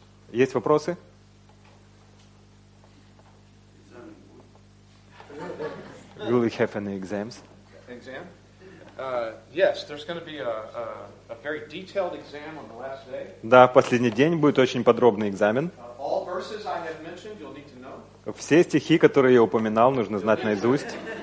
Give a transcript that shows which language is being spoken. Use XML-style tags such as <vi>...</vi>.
<ru>Есть вопросы?</ru> <en>Will we have any exams? Exam? Yes, there's going to be a very detailed exam on the last day.</en> <ru>Да, в последний день будет очень подробный экзамен.</ru> <en>All verses I have mentioned, you'll need to know.</en> <ru>Все стихи, которые я упоминал, нужно знать наизусть.</ru>